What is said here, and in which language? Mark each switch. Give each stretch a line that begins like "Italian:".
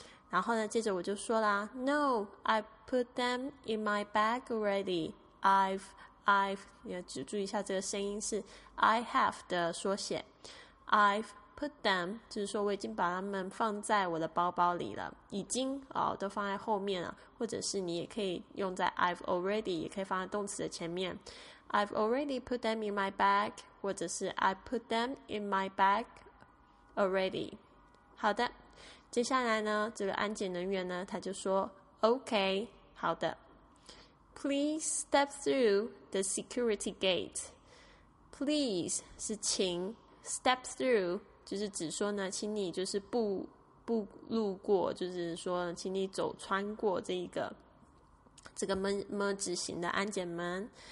Chinese: 然后呢接着我就说啦，
English: No, I put them in my bag already.
Chinese: I've 你要注意一下这个声音是 I have 的缩写。
English: I've put them
Chinese: 就是说我已经把它们放在我的包包里了，已经、都放在后面了，或者是你也可以用在
English: I've already，
Chinese: 也可以放在动词的前面。
English: I've already put them in my bag， 或者是 I put them in my bag already。
Chinese: 好的，接下来呢这个安检人员呢他就说 OK， 好的。
English: Please step through the security gate。 Please
Chinese: 是请，
English: step through
Chinese: 就是指说呢，请你就是不路过，就是说请你走穿过这个门执行的安检门。